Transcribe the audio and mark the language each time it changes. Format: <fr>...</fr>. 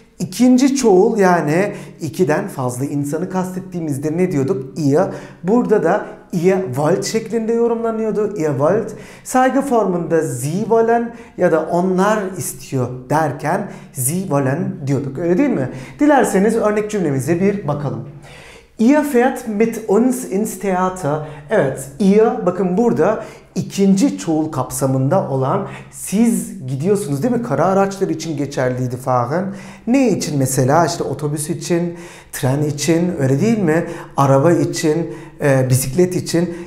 <tr>İkinci çoğul, yani ikiden fazla insanı kastettiğimizde ne diyorduk? Ihr. Burada da</tr> <de>ihr wollt</de> <tr>şeklinde yorumlanıyordu.</tr> <de>Ihr wollt.</de> <tr>Saygı formunda</tr> <de>sie wollen</de> <tr>ya da onlar istiyor derken sie wollen diyorduk. Öyle değil mi? Dilerseniz örnek cümlemize bir bakalım.</tr> <de>Ihr fährt mit uns ins Theater.</de> <tr>Evet, ihr, bakın burada ikinci çoğul kapsamında olan siz gidiyorsunuz, değil mi? Kara araçlar için geçerliydi fahen. Ne için mesela? İşte otobüs için, tren için, öyle değil mi? Araba için, bisiklet için.</tr>